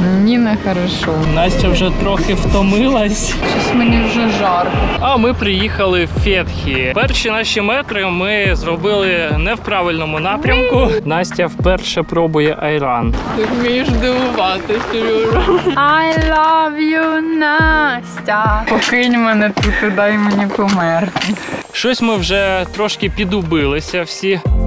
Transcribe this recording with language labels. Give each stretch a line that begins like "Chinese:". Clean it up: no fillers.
Ukrainian: Ні, не хорошо. Настя вже трохи втомилась. Щось мені вже жарко. А ми приїхали в Фетхі. Перші наші метри ми зробили не в правильному напрямку. Настя вперше пробує айран. Ти вмієш дивувати, Сережа.
English: I love you, Настя.
Ukrainian: Покинь мене тут і дай мені померти. Щось ми вже трошки підубилися всі.